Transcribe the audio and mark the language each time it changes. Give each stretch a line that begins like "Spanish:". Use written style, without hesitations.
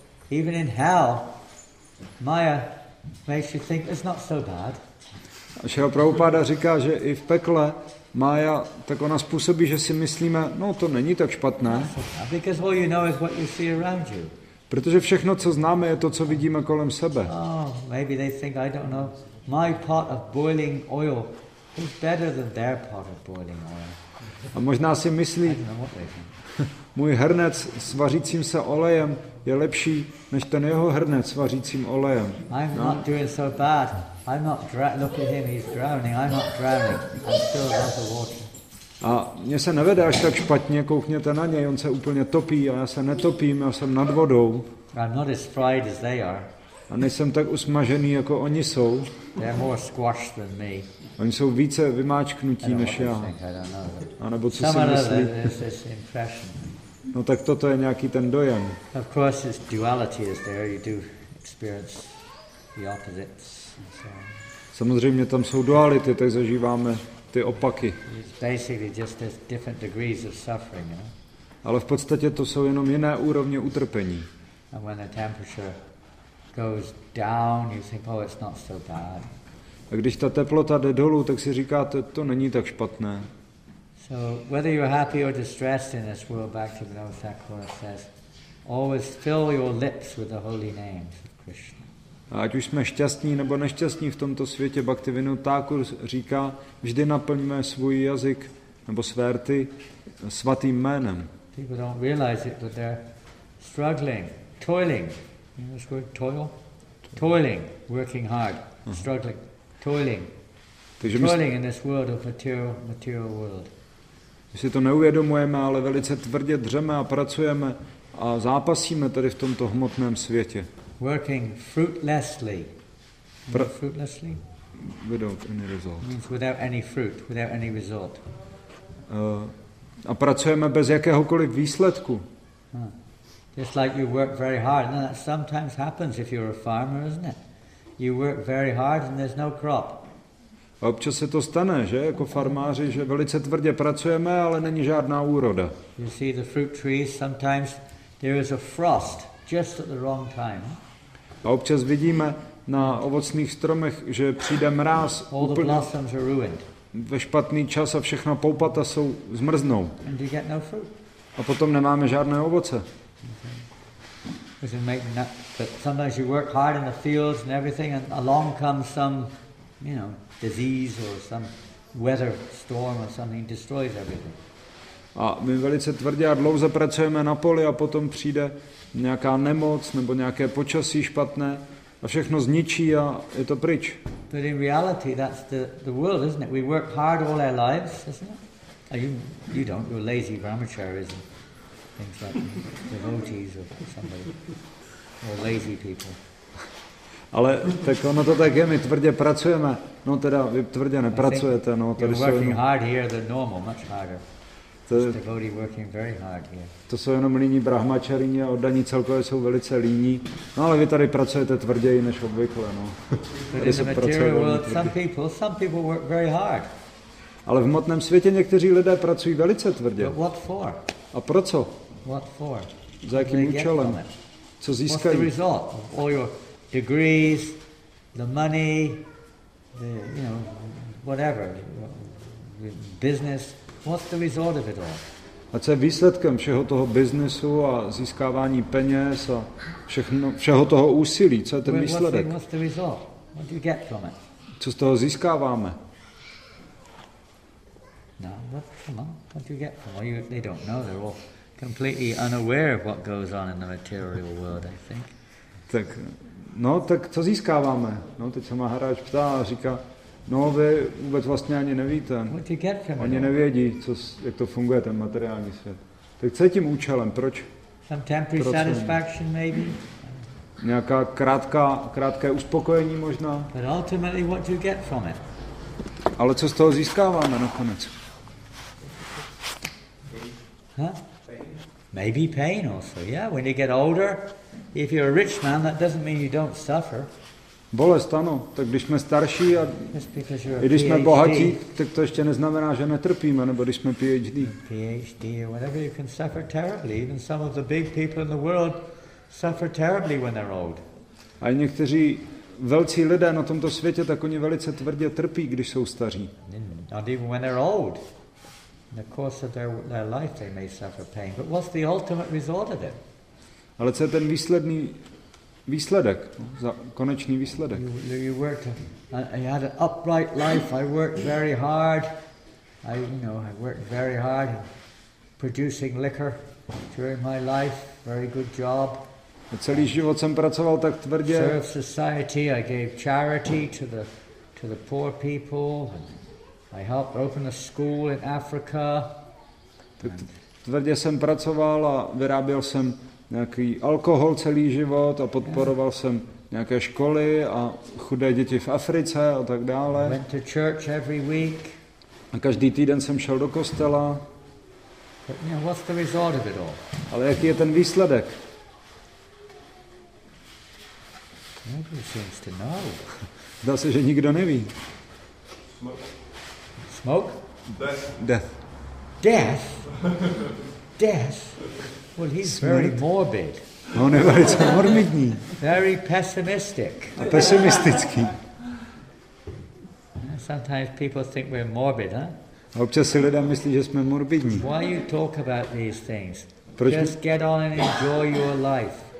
English: Even in hell, Maya makes you think it's not so bad.
Czech: Šel Prabhupáda říká, že i v pekle Maya tak ona způsobí, že si myslíme, no to není tak špatné.
English: Because all you know is what you see around you.
Czech: Protože všechno, co známe, je to, co vidíme kolem sebe.
English: Oh, maybe they think I don't know. My pot of boiling oil is better than their pot of boiling oil.
Czech: A možná si myslí. Můj hrnec s vařícím se olejem je lepší než ten jeho hrnec s vařícím olejem.
English: I'm not doing so bad. I'm not drowning. Look at him, he's drowning. I'm not drowning. I'm still above the water.
Czech: A mně se nevede až tak špatně, koukněte na něj, on se úplně topí a já se netopím, já jsem nad vodou.
English: I'm not as fried as they are.
Czech: A nejsem tak usmažený, jako oni jsou.
English: They're more squashed than me.
Czech: Oni jsou více vymáčknutí než já. A nebo co
English: Some
Czech: si myslí?
English: Some of them is this impression.
Czech: No tak toto je nějaký ten dojem.
English: Of course, this duality is there. You do experience the opposites. So.
Czech: Samozřejmě tam jsou duality, tak zažíváme ty opaky.
English: It's basically just there's different degrees of suffering. You know?
Czech: Ale v podstatě to jsou jenom jiné úrovně utrpení.
English: And when the temperature goes down, you think, oh, it's not so bad.
Czech: A když ta teplota jde dolů, tak si říkáte, to není tak špatné.
English: So whether you're happy or distressed in this world, Bhaktivinoda Thakur says, always fill your lips with the holy names of Krishna.
Czech: A ať už jsme šťastní nebo nešťastní v tomto světě, Bhaktivinoda Thakur říká, vždy naplňme svůj jazyk nebo své rty svatým jménem.
English: People don't realize it, but they're struggling, toiling. You know this word, toil? Toiling, working hard, struggling, toiling. Toiling in this world of material world.
Czech: My si to neuvědomujeme, ale velice tvrdě dřeme a pracujeme a zápasíme tady v tomto hmotném světě.
English: Working fruitlessly. Fruitlessly? Without any result. It means without any fruit, without any result.
Czech: A pracujeme bez jakéhokoliv výsledku.
English: Just like you work very hard, and that sometimes happens if you're a farmer, isn't it? You work very hard and there's no crop.
Czech: A občas se to stane, že jako farmáři, že velice tvrdě pracujeme, ale není žádná úroda.
English: You see the fruit trees, sometimes there is a frost just at the wrong time.
Czech: A občas vidíme na ovocných stromech, že přijde mráz.
English: All the blossoms are ruined.
Czech: Ve špatný čas a všechna poupata jsou zmrznou.
English: And you get no fruit.
Czech: A potom nemáme žádné ovoce.
English: But sometimes you work hard in the fields and everything, and along comes some, you know, disease or some weather storm or something destroys everything.
Czech: A my velice tvrdě a dlouze pracujeme na poli a potom přijde nějaká nemoc nebo nějaké počasí špatné a všechno zničí a je to pryč.
English: But in reality, that's the world, isn't it? We work hard all our lives, isn't it? Oh, you don't. You're lazy brahmacharis and things like devotees or somebody or lazy people.
Czech: Ale tak ono to tak je, my tvrdě pracujeme. No teda, vy tvrdě nepracujete, no. Tady
English: you're working
Czech: jenom
English: hard here than normal, much harder. Devotee working very hard here.
Czech: To jsou jenom líní brahmačarini a oddaní celkově jsou velice líní. No ale vy tady pracujete tvrději než obvykle, no.
English: But in the material world, some people work very hard.
Czech: Ale v hmotném světě někteří lidé pracují velice tvrdě.
English: But what for?
Czech: A pro co?
English: What for?
Czech: Za jakým účelem? Co získají?
English: What's the result of all your degrees, the money, the, you know, whatever, business, what's the result of it all?
Czech: A co je výsledkem všeho toho biznesu a získávání peněz a všeho toho úsilí, co je ten výsledek?
English: What's the result? What do you get from it?
Czech: Co z toho získáváme?
English: No, what do you get from it? They don't know, they're all completely unaware of what goes on in the material world, I think.
Czech: Tak. No, tak co získáváme? No, teď se Maharaj ptá a říká, no, vy vůbec vlastně ani nevíte. Oni nevědí, jak to funguje, ten materiální svět. Tak co je tím účelem? Proč?
English: Some temporary satisfaction maybe.
Czech: Nějaká krátké uspokojení možná.
English: But ultimately what do you get from it?
Czech: Ale co z toho získáváme nakonec? Huh?
English: Maybe pain also, yeah, when you get older. If you're a rich man, that doesn't mean you don't suffer.
Czech: Bolest, ano. Tak když jsme starší a i když jsme bohatí, tak to ještě neznamená, že netrpíme, nebo když jsme PhD.
English: PhD or whatever, you can suffer terribly. Even some of the big people in the world suffer terribly when they're old.
Czech: A někteří velcí lidé na tomto světě, tak oni velice tvrdě trpí, když jsou staří.
English: Not even when they're old. In the course of their life, they may suffer pain. But what's the ultimate result of it?
Czech: Ale co je ten výsledný výsledek, konečný výsledek?
English: You worked. I had an upright life. I worked very hard. I worked very hard producing liquor during my life. Very good job.
Czech: A celý život jsem pracoval tak tvrdě.
English: Served society. I gave charity to the poor people. I helped open a school in Africa.
Czech: Tvrdě jsem pracoval a vyráběl jsem nějaký alkohol celý život a podporoval jsem nějaké školy a chudé děti v Africe a tak dále.
English: Went to church every week.
Czech: A každý týden jsem šel do kostela.
English: But, you know, what's the result of it all?
Czech: Ale jaký je ten výsledek?
English: Nobody seems to know.
Czech: Zdá se, že nikdo neví.
English: Smoke? Death. Death? Death? Death? Well, he's very morbid.
Czech: A on je velice morbidní.
English: Very pessimistic.
Czech: A pesimistický.
English: Sometimes people think we're morbid, huh?
Czech: A občas si lidé myslí, že jsme morbidní.
English: Why you talk about these things?
Czech: Proč
English: just get on and enjoy your life.